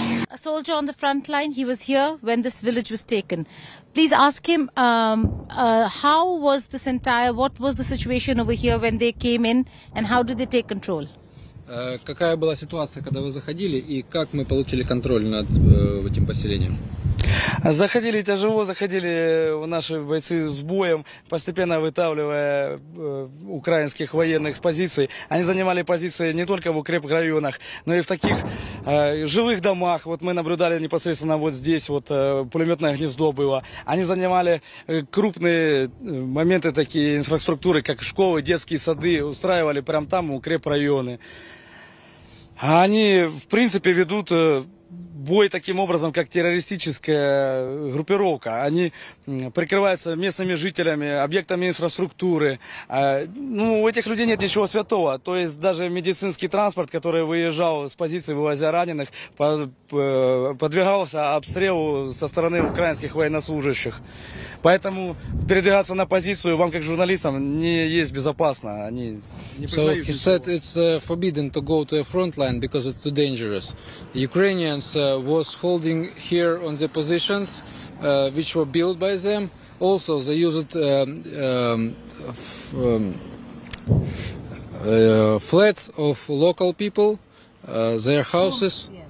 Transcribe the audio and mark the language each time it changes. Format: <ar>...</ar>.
<en>A soldier on the front line, he was here when this village was taken. Please ask him, how was this entire, what was the situation over here when they came in, and how did they take control?</en> <ru>Какая была ситуация, когда вы заходили, и как мы получили контроль над этим поселением? Заходили тяжело, заходили наши бойцы с боем, постепенно вытавливая украинских военных с позиций. Они занимали позиции не только в укрепрайонах, но и в таких жилых домах. Вот мы наблюдали непосредственно вот здесь, вот пулеметное гнездо было. Они занимали крупные моменты такие инфраструктуры, как школы, детские сады, устраивали прямо там укрепрайоны. Они, в принципе, ведут бой таким образом, как террористическая группировка. Они прикрываются местными жителями, объектами инфраструктуры. Ну, у этих людей нет ничего святого. То есть даже медицинский транспорт, который выезжал с позиции, вывозя раненых, подвергался обстрелу со стороны украинских военнослужащих. Поэтому передвигаться на позицию вам, как журналистам, не есть безопасно. Они не признают ничего.</ru> <en>So he said it's forbidden to go to a front line because it's too dangerous. Ukrainians was holding here on the positions which were built by them. Also, they used flats of local people, their houses.</en>